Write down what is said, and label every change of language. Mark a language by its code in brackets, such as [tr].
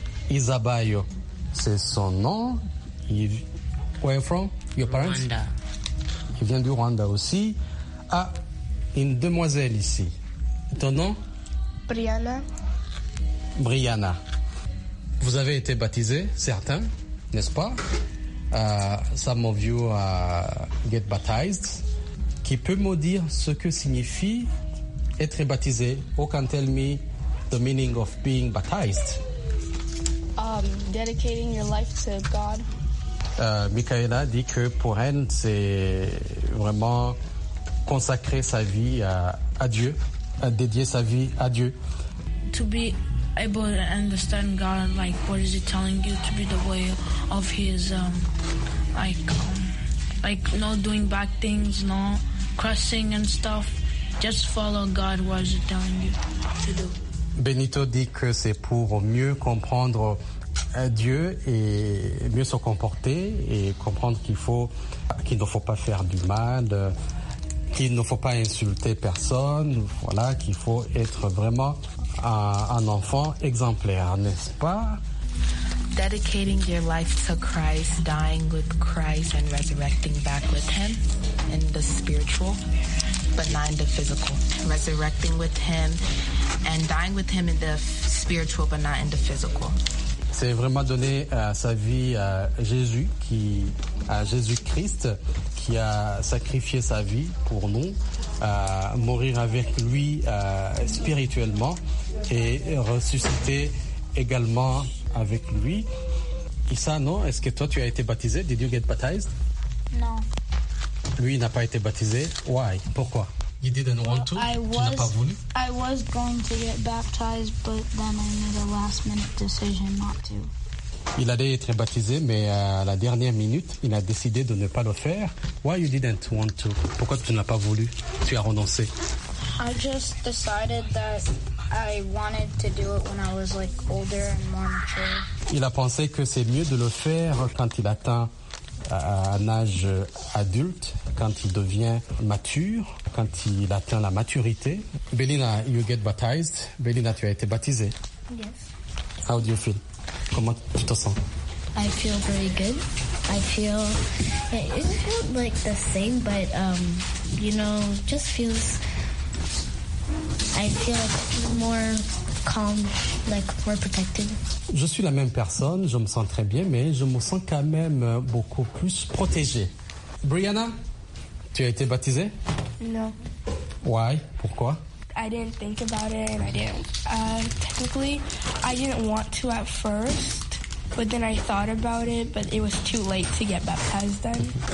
[en] Isabayo, [fr] c'est son nom. [en] Where are you from? Your parents? Rwanda. [fr] Il vient du Rwanda aussi. Ah, une demoiselle ici. Ton nom? Brianna. Brianna. Vous avez été baptisé, certains? N'est-ce pas? [en] Some of you get baptized. [fr] Qui peut me dire ce que signifie être baptisé? [en] Who can tell me the meaning of being baptized? Dedicating your life to God. [fr] Michaela dit que pour elle, c'est vraiment consacrer sa vie à Dieu, à dédier sa vie à Dieu. [en] To be able to understand God, like what is He telling you to be the way of His, like not doing bad things, not cursing and stuff. Just follow God, what is He telling you to do. [fr] Benito dit que c'est pour mieux comprendre Dieu et mieux se comporter et comprendre qu'il ne faut pas faire du mal, qu'il ne faut pas insulter personne, voilà, qu'il faut être vraiment un enfant exemplaire, n'est-ce pas? [en] Dedicating your life to Christ, dying with Christ and resurrecting back with Him in the spiritual, but not in the physical. Resurrecting with Him and dying with Him in the spiritual, but not in the physical. [fr] C'est vraiment donner sa vie à Jésus, à Jésus-Christ, qui a sacrifié sa vie pour nous, mourir avec lui spirituellement et ressusciter également avec lui. Issa, non? Est-ce que toi, tu as été baptisé? [en] Did you get baptized? [fr] Non. Lui, il n'a pas été baptisé. [en] Why? [fr] Pourquoi? [en] You didn't want to? [fr] Tu n'as pas voulu? [en] I was going to get baptized, but then I made a last-minute decision not to. [fr] Il allait être baptisé, mais à la dernière minute, il a décidé de ne pas le faire. [en] Why you didn't want to? [fr] Pourquoi tu n'as pas voulu? Tu as renoncé? [en] I just decided that I wanted to do it when I was like older and more mature. [fr] Il a pensé que c'est mieux de le faire quand il atteint un âge adulte, quand il devient mature, quand il atteint la maturité. [en] Belina, you get baptized. [fr] Belina, tu as été baptisée. [en] Yes. How do you feel? [fr] Comment tu te sens? [en] I feel very good. I feel it isn't like the same, but you know, just feels. I feel more calm, like more protected. [fr] Je suis la même personne, je me sens très bien, mais je me sens quand même beaucoup plus protégée. Brianna, tu as été baptisée? Non. [en] Why? [fr] Pourquoi? [en] I didn't think about it. And I didn't. Technically, I didn't want to at first, but then I thought about it, but it was too late to get baptized then.